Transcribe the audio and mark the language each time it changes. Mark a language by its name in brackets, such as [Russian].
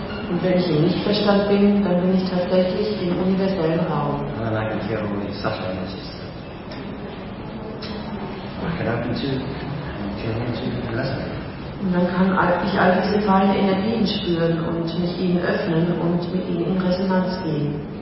[German] Und wenn ich im Nichtverstand bin, dann bin ich tatsächlich im universellen Raum. [English] And then I can hear all these subtle messages. I can open to and tune into the lesson. [German] Und dann kann ich all diese feinen Energien spüren und mich ihnen öffnen und mit ihnen in Resonanz gehen.